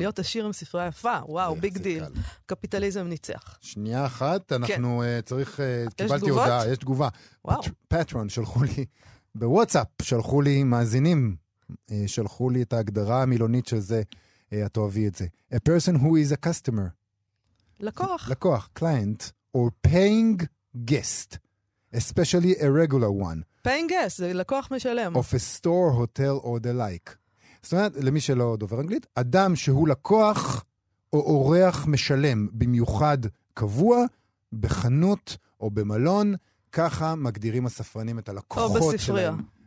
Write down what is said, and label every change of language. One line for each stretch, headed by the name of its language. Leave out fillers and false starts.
Hebrew: להיות עשיר עם ספרייה יפה, וואו, ביג דיל. קפיטליזם ניצח. שנייה אחת, אנחנו כן. צריך... קיבלתי הודעה, יש תגובה. פטרון שלחו לי... בוואטסאפ שלחו לי מאזינים, שלחו לי את ההגדרה המילונית של זה, את אוהבי את זה.
English: A person who is a customer.
Hebrew: לקוח. לקוח,
English: client, or paying guest, especially a regular one. Paying guest,
Hebrew: זה לקוח משלם.
English: Of a store, hotel, or the like.
Hebrew: זאת אומרת, למי שלא דובר אנגלית, אדם שהוא לקוח או אורח משלם, במיוחד קבוע, בחנות או במלון, ככה מגדירים הספרנים את הלקוחות שלהם.